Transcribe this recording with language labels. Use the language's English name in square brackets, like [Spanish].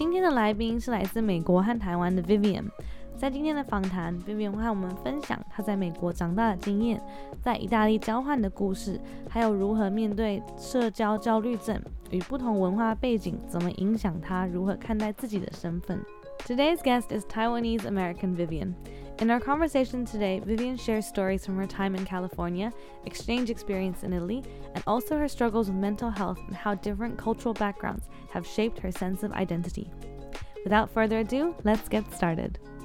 [English] Today's guest is from the US and Taiwan, Vivian. [Chinese] 在今天的访谈 ，Vivian 会和我们分享她在美国长大的经验，在意大利交换的故事，还有如何面对社交焦虑症与不同文化背景怎么影响她如何看待自己的身份。 [English] Today's guest is Taiwanese American Vivian. In our conversation today, Vivian shares stories from her time in California, exchange experience in Italy, and also her struggles with mental health and how different cultural backgrounds have shaped her sense of identity. Without further ado, let's get started.